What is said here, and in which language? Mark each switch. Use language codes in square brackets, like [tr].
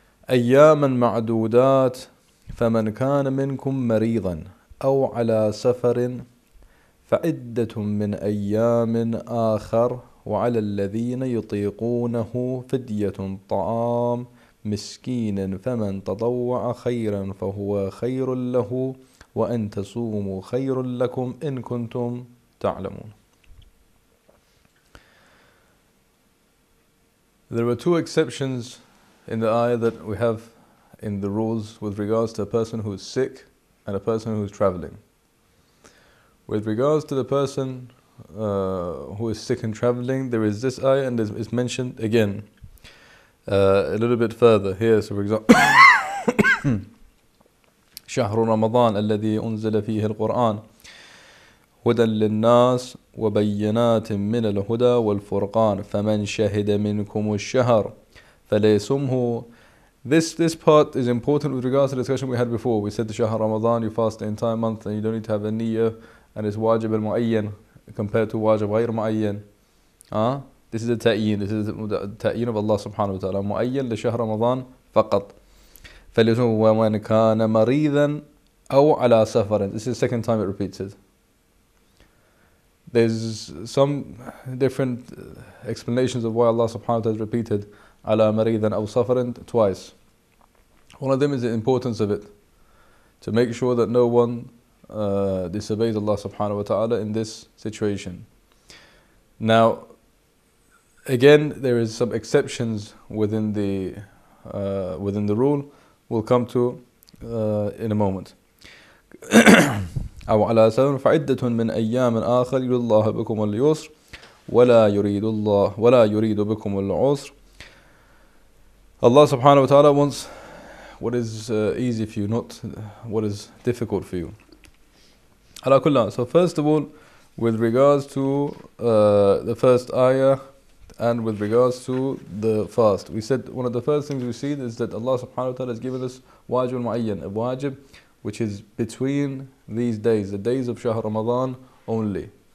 [ar] أياما معدودات فمن كان منكم مريضا أو على سفر فعدة من أيام آخر وعلى الذين يطيقونه فدية طعام مسكين فمن تطوع خيرا فهو خير له وأن تصوموا خير لكم إن كنتم تعلمون. [en] There were two exceptions in the ayah that we have in the rules with regards to a person who is sick and a person who is traveling. With regards to the person who is sick and traveling, there is this ayah and it's mentioned again a little bit further here. So, for example, [ar] شهر رمضان الذي أنزل فيه القرآن هدى للناس وبينات من الهدى والفرقان فمن شهد منكم الشهر فليصمه. [en] This part is important with regards to the discussion we had before. We said the Shahr Ramadan, you fast the entire month and you don't need to have a niyyah, and it's wajib al-mu'ayyan compared to wajib ghayr mu'ayyan. This is a ta'yin. This is a ta'yin of Allah subhanahu wa ta'ala. [ar] Mu'ayyan li Shahr Ramadan faqat. فليصمه ومن كان مريضا أو على سفر. [en] This is the second time it repeats it. There's some different explanations of why Allah subhanahu wa ta'ala has repeated [ar] ala maridan aw safarin [en] twice. One of them is the importance of it, to make sure that no one disobeys Allah subhanahu wa ta'ala in this situation. Now, again, there is some exceptions within the rule. We'll come to in a moment. [ar] أو على سفر فعدة من أيام آخر يريد الله بكم اليسر ولا يريد الله ولا يريد بكم العسر. [en] Allah subhanahu wa ta'ala wants what is easy for you, not what is difficult for you. [ar] على كل. [en] So first of all, with regards to the first ayah and with regards to the fast, we said one of the first things we see is that Allah subhanahu wa ta'ala has given us wajib mu'ayyan, a wajib which is between these days, the days of Shahr Ramadan only.